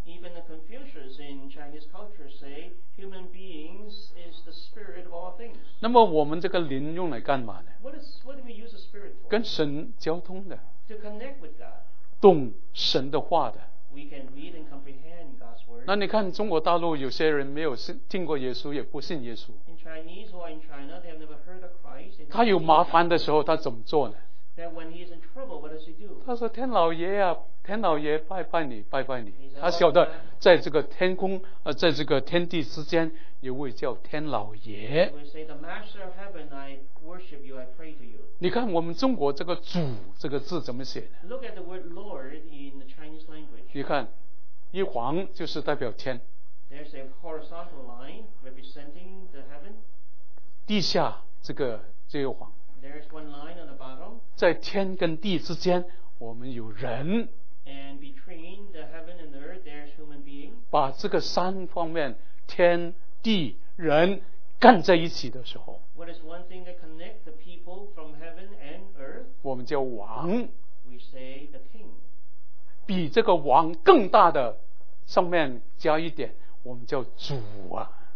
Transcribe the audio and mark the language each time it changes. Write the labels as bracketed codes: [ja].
[en] Even the Confucians in Chinese culture say human beings is the spirit of all things. [zh] 那么我们这个灵用来干嘛呢？ [en] What do we use the spirit for? [zh] 跟神交通的。 [en] To connect with God. [zh] 懂神的话的。 [en] We can read and comprehend God's word. [zh] 那你看中国大陆有些人没有听过耶稣，也不信耶稣。 [en] In Chinese or in China, they have never heard of Christ. [zh] 他有麻烦的时候，他怎么做呢？ [en] That when he is in trouble, what does he do? [zh] 他说：“天老爷啊，天老爷，拜拜你，拜拜你。” 他晓得在这个天空，在这个天地之间，有位叫天老爷。 [en] He will say, "The Master of Heaven, I worship you, I pray to you." [zh] 你看我们中国这个“主”这个字怎么写呢？ [en] Look at the word "Lord" in the Chinese language. [zh] 你看一横就是代表天， [en] There's a horizontal line representing the heaven. [zh] 地下这个横， [en] There's one line on the bottom. [zh] 在天跟地之间我们有人， [en] And between the heaven and the earth, there's human being. [zh] 把这个三方面天地人干在一起的时候， [en] What is one thing that connects the people from heaven and earth? [zh] 我们叫王， [en] We say the king. [zh] 比这个王更大的上面加一点，我们叫主啊。